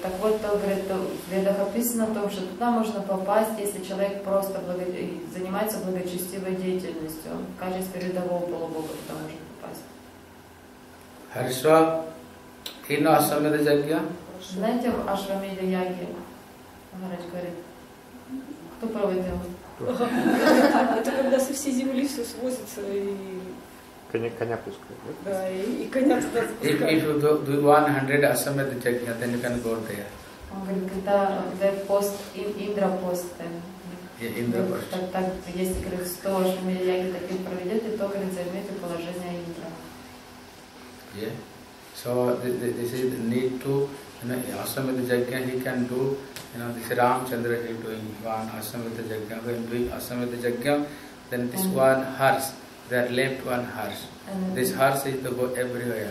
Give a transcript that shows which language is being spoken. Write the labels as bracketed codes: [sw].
[ru] Так вот, то, говорит, в Ведах описано о том, что туда можно попасть, если человек просто занимается благочестивой деятельностью, в качестве рядового полубога туда можно попасть. Хорошо. И на ашвамедха-яге? Знаете, в ашвамедха-яге, Махарадж говорит, кто проводил? Это когда со всей земли все свозится и... Коня пускают. Да, и коня спускают. [en] If you do 100 ашвамедха яги, then you can go there. [ru] Он говорит, когда пост, Индра пост. Индра пост. Так, если, говорит, 100 ашвамедха яги таким проведет, то, говорит, займете положение Индра. [en] Yeah. So, this is the need to... You know, ashwamedha jagya he can do, you know, this Ramchandra he is doing one ashwamedha jagya. When doing ashwamedha jagya, then this one harsh, they are left one harsh. This harsh is to go everywhere.